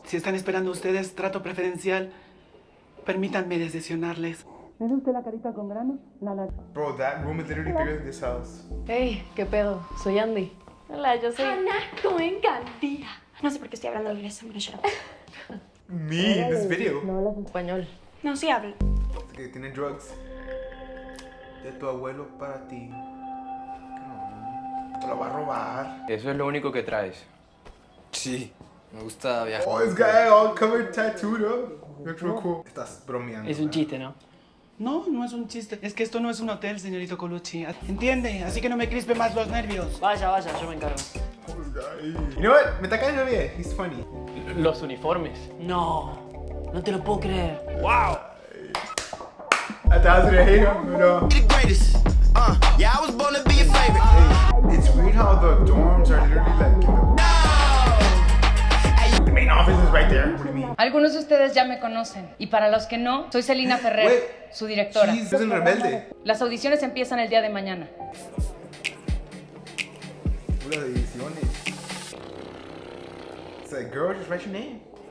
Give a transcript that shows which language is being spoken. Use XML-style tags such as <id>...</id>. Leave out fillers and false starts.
<es>Si están esperando ustedes trato preferencial, permítanme decepcionarles. ¿Me ve usted la carita con grano?</es> <en>Bro, that room is literally bigger than this house.</en> <es>Hey, ¿qué pedo? Soy Andy. Hola, yo soy... Ana, tú encantía. No sé por qué estoy hablando de inglés, hombre,</es> <en>shut up. Me, in this video.</en> <es>No hablas español. No, sí hablo. Que tiene drugs. De tu abuelo para ti. Te lo va a robar. Eso es lo único que traes. Sí, me gusta viajar.</es> <en>Oh, this guy all covered tattooed up. Looks real cool.</en> <es>Estás bromeando. Es un chiste, ¿no? No, no es un chiste. Es que esto no es un hotel, señorito Colucci. Entiende, así que no me crispe más los nervios. Vaya, vaya, yo me encargo.</es> <en>You know what?</en> <es>Me está cayendo bien.</es> <en>He's funny.</en> <es>Los uniformes. No, no te lo puedo creer.</es> <en>Wow. I thought I was gonna hate him, but no. Yeah, I was born to be your favorite. It's weird how the dorms are literally like. The main office is right there. What do you mean?</en> <es>Algunos de ustedes ya me conocen. Y para los que no, soy Celina Ferrer, su directora.</es> <en>She's in Rebelde.</en> <es>Las audiciones empiezan el día de mañana. Hola, audiciones.</es> <en>It's like, girl, just write your name.</en>